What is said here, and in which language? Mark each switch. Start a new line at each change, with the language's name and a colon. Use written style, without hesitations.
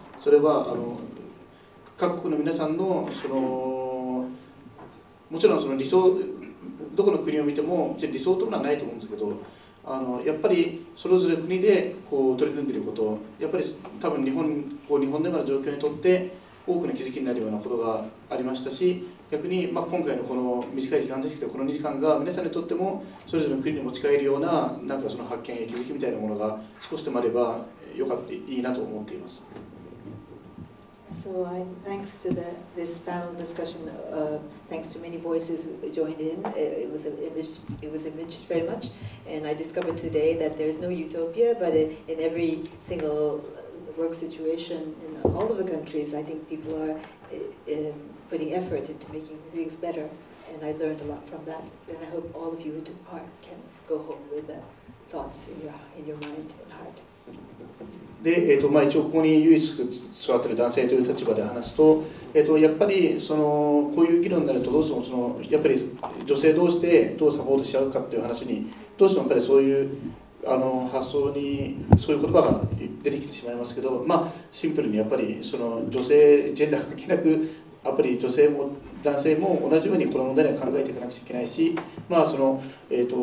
Japanese: それは各国の皆さん の, そのもちろんその理想、どこの国を見ても理想というのはないと思うんですけど、やっぱりそれぞれ国でこう取り組んでいること、やっぱり多分日本でもある状況にとって多くの気づきになるようなことがありましたし、逆に、まあ、今回のこの短い時間でしたけど、この2時間が皆さんにとってもそれぞれの国に持ち帰るよう な, なんかその発見や気づきみたいなものが少しでもあればよかった、いいなと思っています。
English: So I, thanks to the, this panel discussion, thanks to many voices who joined in, it was enriched very much. And I discovered today that there is no utopia, but in every single work situation in all of the countries, I think people are putting effort into making things better. And I learned a lot from that. And I hope all of you who took part can go home with the thoughts in your mind and heart.
Japanese: で、まあ、一応ここに唯一座っている男性という立場で話すと、やっぱりそのこういう議論になるとどうしてもそのやっぱり女性どうしてどうサポートし合うかという話にどうしてもやっぱりそういう発想にそういう言葉が出てきてしまいますけど、まあ、シンプルにやっぱりその女性ジェンダー関係なくやっぱり女性も男性も同じようにこの問題には考えていかなくちゃいけないし、まあその完全